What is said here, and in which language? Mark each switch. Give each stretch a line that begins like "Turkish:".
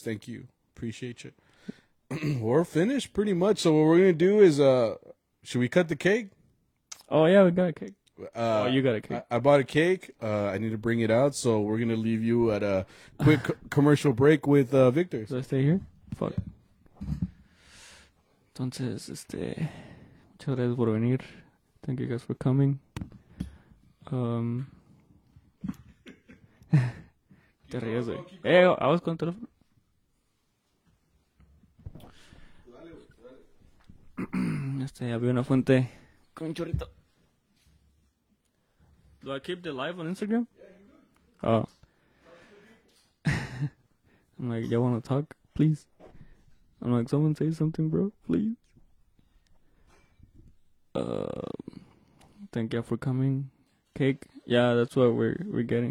English: Thank you, appreciate you. We're finished pretty much. So what we're gonna do is should we cut the cake? Oh yeah, we got a cake. You got a cake. I bought a cake. I need to bring it out. So we're going to leave you at a quick commercial break with Victor. Should I stay here? Fuck.
Spanish: Entonces, muchas gracias por venir.
English: Thank you guys for coming.
Spanish: Te ríes, güey.
English: I was going to the...
Spanish: había una fuente con un chorrito.
English: Do I keep the live on Instagram? Yeah, oh. I'm like, y'all want to talk? Please. I'm like, someone say something, bro. Please. Thank you for coming. Cake. Yeah, that's what we're getting.